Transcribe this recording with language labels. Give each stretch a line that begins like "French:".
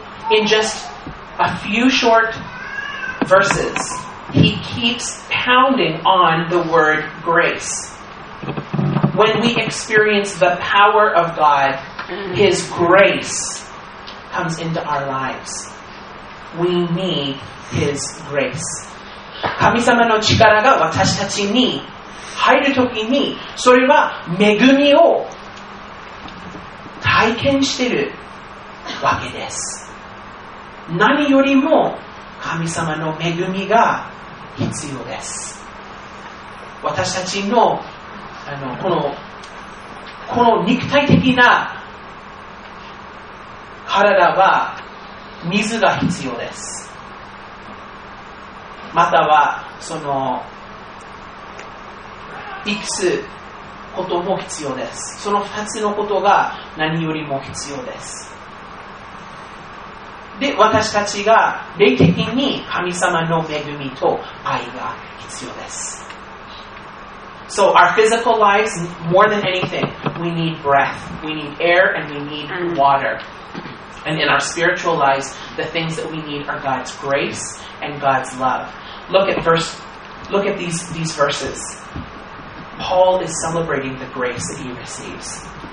English: In just a few short verses, he keeps pounding on the word grace. When we experience the power of God, his grace comes into our lives. We need His grace.
Japanese: 神様の力が私たちに入るときに、それは恵みを体験しているわけです。何よりも神様の恵みが必要です。私たちの、この肉体的な体は水が必要です。またはその生きることも必要です。その2つのことが何よりも必要です。で私たちが霊的に神様の恵みと愛が必要です。
English: So our physical lives, more than anything, we need breath, we need air, and we need water. And in our spiritual lives, the things that we need are God's grace and God's love. Look at these verses. Paul is celebrating the grace that he receives.